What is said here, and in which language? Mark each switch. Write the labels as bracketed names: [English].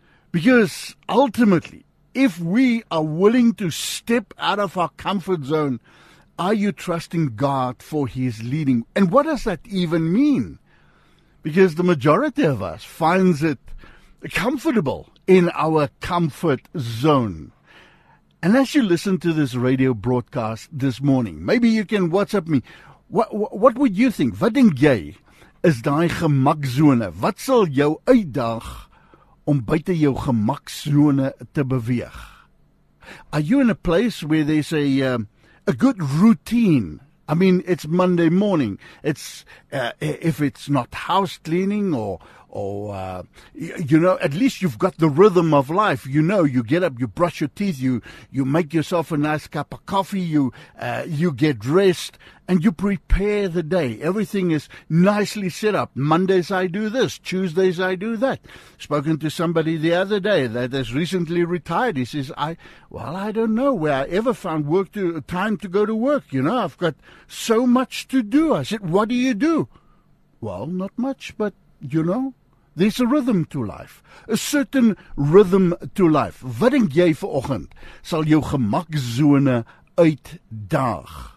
[English] Because ultimately, if we are willing to step out of our comfort zone, are you trusting God for His leading? And what does that even mean? Because the majority of us finds it comfortable in our comfort zone. And as you listen to this radio broadcast this morning, maybe you can WhatsApp me. What would you think? [Afrikaans] Wat dink jy is daai gemakzone? Wat sal jou uitdaag om buite jou gemakzone te beweeg? [English] Are you in a place where there's a good routine? I mean, it's Monday morning. It's if it's not house cleaning or at least you've got the rhythm of life. You know, you get up, you brush your teeth, you make yourself a nice cup of coffee, you get dressed, and you prepare the day. Everything is nicely set up. Mondays I do this, Tuesdays I do that. Spoken to somebody the other day that has recently retired. He says, I don't know where I ever found time to go to work. You know, I've got so much to do. I said, what do you do? Well, not much, but you know, there's a rhythm to life, a certain rhythm to life. [Afrikaans] Wat dink jy vanoggend sal jou gemakzone uitdaag?